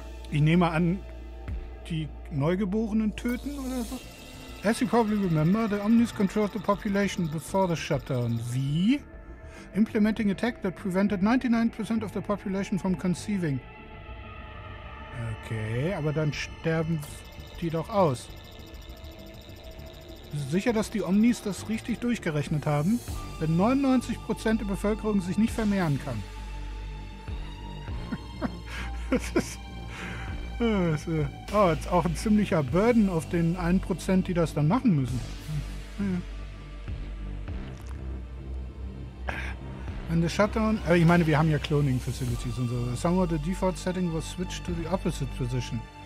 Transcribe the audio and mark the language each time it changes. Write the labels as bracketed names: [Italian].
[German] Ich nehme an, die Neugeborenen töten oder so? [English] As you probably remember, the Omnis controlled the population before the shutdown. [German] Wie? [English] Implementing a tech that prevented 99% of the population from conceiving. [German] Okay, aber dann sterben die doch aus. Sicher, dass die Omnis das richtig durchgerechnet haben, wenn 99% der Bevölkerung sich nicht vermehren kann. Das ist auch ein ziemlicher Burden auf den 1%, die das dann machen müssen. Wenn der Shutdown... ich meine, wir haben ja Cloning-Facilities und so. [English] Somehow the default setting was switched to the opposite position.